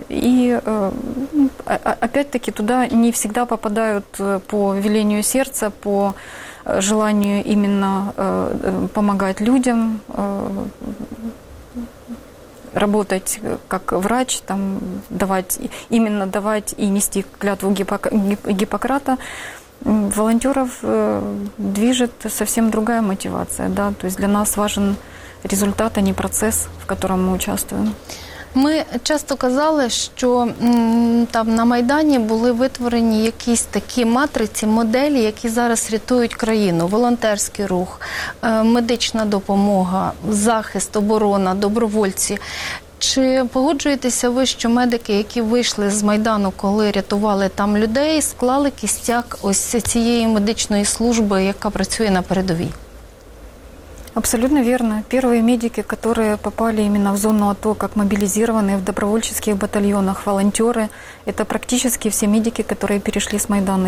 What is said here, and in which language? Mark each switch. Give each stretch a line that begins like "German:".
Russian: И опять-таки туда не всегда попадают по велению сердца, по желанию именно помогать людям, работать как врач, там, давать и нести клятву Гиппократа. Волонтеров движет совсем другая мотивация. Да? То есть для нас важен результат, а не процес, в котором мы участвуем.
Ukrainian: Ми часто казали, що там на Майдані були витворені якісь такі матриці, моделі, які зараз рятують країну. Волонтерський рух, медична допомога, захист, оборона, добровольці. Чи погоджуєтеся ви, що медики, які вийшли з Майдану, коли рятували там людей, склали кістяк ось цієї медичної служби, яка працює на передовій?
Russian: Абсолютно верно. Первые медики, которые попали именно в зону АТО, как мобилизированные в добровольческих батальонах, волонтеры, это практически все медики, которые перешли с Майдана.